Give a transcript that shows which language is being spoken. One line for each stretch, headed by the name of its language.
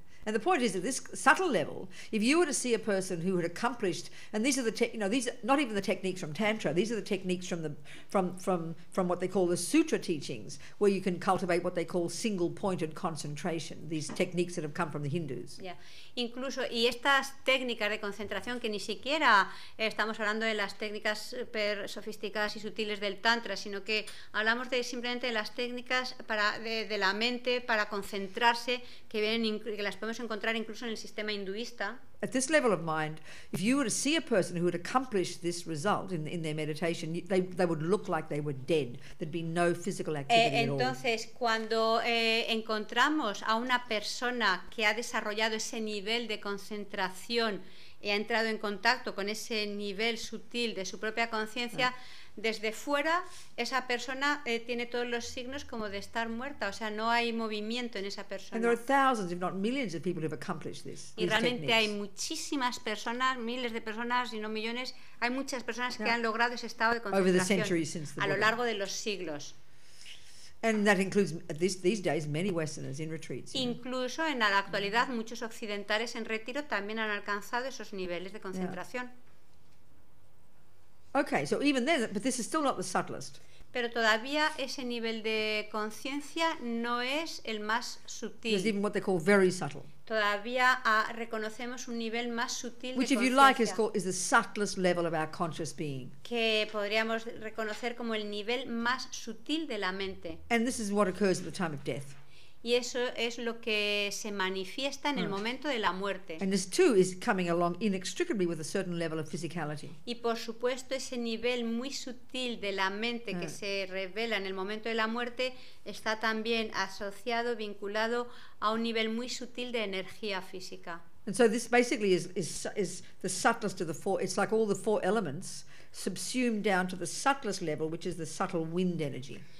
English: And the point is at this subtle level, if you were to see a person who had accomplished, and these are the these are not even the techniques from Tantra, these are the techniques from what they call the Sutra teachings, where you can cultivate what they call single-pointed concentration, these techniques that have come from the Hindus. Yeah.
Spanish: Incluso, y estas técnicas de concentración que ni siquiera estamos hablando de las técnicas super sofisticadas y sutiles del Tantra, sino que hablamos de simplemente de las técnicas de la mente para concentrarse que vienen que las podemos encontrar incluso en el sistema hinduista.
English: At this level of mind, if you were to see a person who had accomplished this result in their meditation, they would look like they were dead. There'd be no physical activity at all.
Spanish: Entonces, cuando encontramos a una persona que ha desarrollado ese nivel de concentración y ha entrado en contacto con ese nivel sutil de su propia conciencia, desde fuera, esa persona tiene todos los signos como de estar muerta, o sea, no hay movimiento en esa persona.
English: And there are thousands, if not millions, of people who have accomplished this.
Spanish: Y realmente hay muchísimas personas, miles de personas, y no millones, hay muchas personas que han logrado ese estado de concentración a lo largo de los siglos.
English: And that includes these days many Westerners in retreats.
Spanish: Incluso en la actualidad muchos occidentales en retiro también han alcanzado esos niveles de concentración.
English: Yeah. Okay, so even then, but this is still not the subtlest.
Spanish: Pero todavía ese nivel de conciencia no es el más sutil.
English: There's even what they call very subtle.
Spanish: Todavía reconocemos un nivel más sutil.
English: Which,
Spanish: de
English: if you like, is called is the subtlest level of our conscious being.
Spanish: Que podríamos reconocer como el nivel más sutil de la mente.
English: And this is what occurs at the time of death.
Spanish: Y eso es lo que se manifiesta en el momento de la muerte.
English: And this too is coming along inextricably with a certain level of physicality.
Spanish: Y por supuesto ese nivel muy sutil de la mente que se revela en el momento de la muerte está también asociado, vinculado a un nivel muy sutil de energía física.
English: And so this basically is the subtlest of the four. It's like all the four elements subsumed down to the subtlest level, which is the subtle wind energy.